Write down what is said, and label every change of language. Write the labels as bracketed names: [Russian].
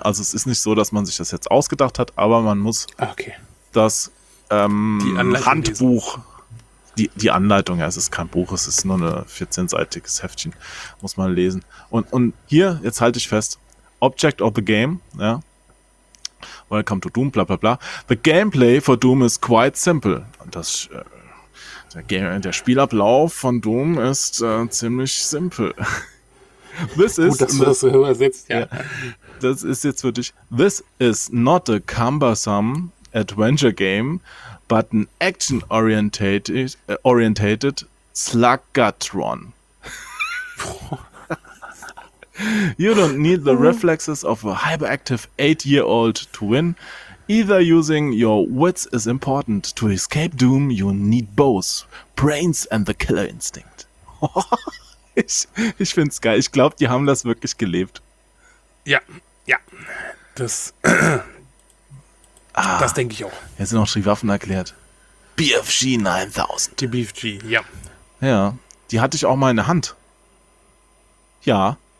[German] Also es ist nicht so, dass man sich das jetzt ausgedacht hat, aber man muss das Handbuch, die Anleitung, ja, es ist kein Buch, es ist nur ein 14-seitiges Heftchen, muss man lesen. Und hier, jetzt halte ich fest, [English] Object of the game, [German] ja. [English] Welcome to Doom, bla bla bla. The gameplay for Doom is quite simple. [German] Das, der Spielablauf von Doom ist ziemlich simpel. [English] This is, [German] gut, dass du das so übersetzt, ja. Das ist jetzt für dich. [English] This is not a cumbersome adventure game, but an action-orientated slug-gut-run. You don't need the reflexes of a hyperactive 8-year-old to win. Either using your wits is important. To escape Doom, you need both brains and the killer instinct. [German] Ich find's geil. Ich glaube, die haben das wirklich gelebt. Ja. Das denke ich auch. Jetzt sind auch schon die Waffen erklärt. BFG 9000. Die BFG, ja. Ja, die hatte ich auch mal in der Hand. Ja.